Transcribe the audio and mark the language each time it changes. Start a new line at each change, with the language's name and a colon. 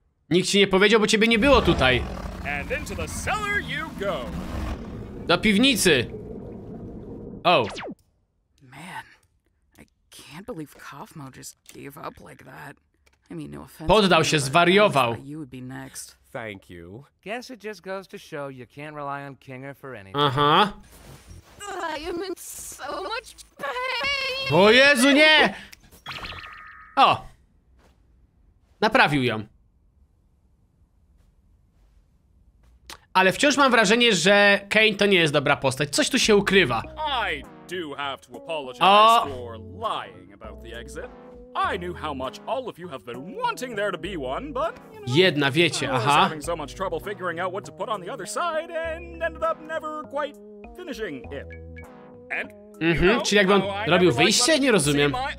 Polish: Nikt ci nie powiedział, bo ciebie nie było tutaj.
English: And into the cellar you go.
Polish: Do piwnicy! O. Oh.
English: Man, I can't believe Kafmo just gave up like that. I mean, no offense.
Polish: Poddał się, zwariował.
English: Thank you. Guess it just goes to show you can't rely on Kinger for anything. Aha. I am in so much pain.
Polish: O Jezu, nie! O! Naprawił ją. Ale wciąż mam wrażenie, że Kane to nie jest dobra postać. Coś tu się ukrywa.
English: I do have to apologize for lying about the exit. I knew how much all of you have been wanting there to be one, but you know,
Polish: jedna wiecie, aha.
English: I was having so much trouble figuring out what to put on the other side and ended up never quite finishing it. And
Polish: czyli jakby on robił wyjście? Nie rozumiem.